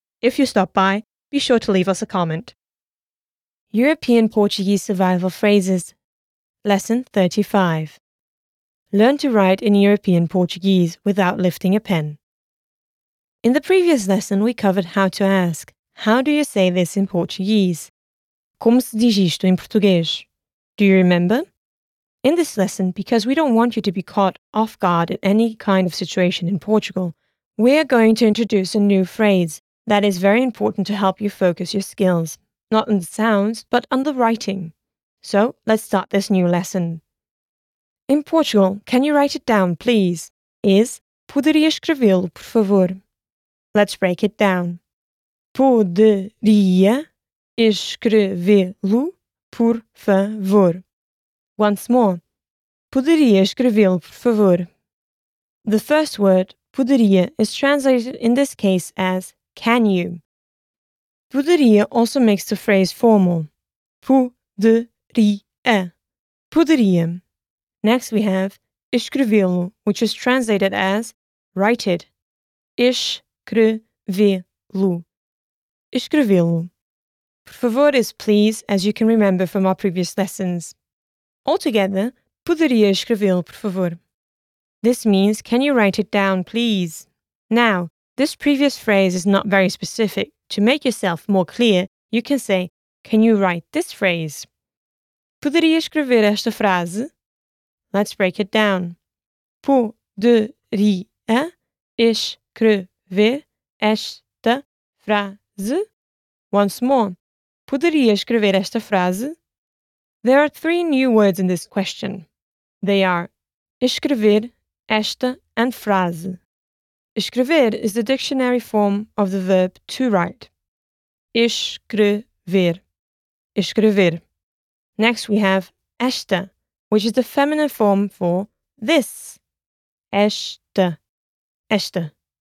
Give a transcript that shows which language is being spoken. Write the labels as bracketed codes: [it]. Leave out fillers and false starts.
[en] If you stop by, be sure to leave us a comment. European Portuguese Survival Phrases, Lesson 35. Learn to write in European Portuguese without lifting a pen. In the previous lesson, we covered how to ask, how do you say this in Portuguese? [pt] Como se diz isto em português? [en] Do you remember? In this lesson, because we don't want you to be caught off guard in any kind of situation in Portugal, we are going to introduce a new phrase that is very important to help you focus your skills. Not on the sounds, but on the writing. So, let's start this new lesson. In Portugal, can you write it down, please? Is, [pt] poderia escrevê-lo, por favor? [en] Let's break it down. [pt] Poderia escrevê-lo, por favor. [en] Once more. [pt] Poderia escrevê-lo, por favor. [en] The first word, poderia, is translated in this case as, can you? Poderia also makes the phrase formal. Poderia. Poderia. Next we have escrevê-lo, which is translated as write it. [pt] Escrevê-lo. Escrevê-lo. [en] Por favor is please, as you can remember from our previous lessons. [pt] Altogether, poderia escrevê-lo, por favor. [en] This means, can you write it down, please? Now, this previous phrase is not very specific. To make yourself more clear, you can say, can you write this phrase? [pt] Poderia escrever esta frase? [en] Let's break it down. [pt] Poderia escrever esta frase? [en] Once more. [pt] Poderia escrever esta frase? [en] There are three new words in this question. They are escrever, esta, and frase. Escrever is the dictionary form of the verb to write. Escrever. Escrever. Next we have esta, which is the feminine form for this. Esta. Esta.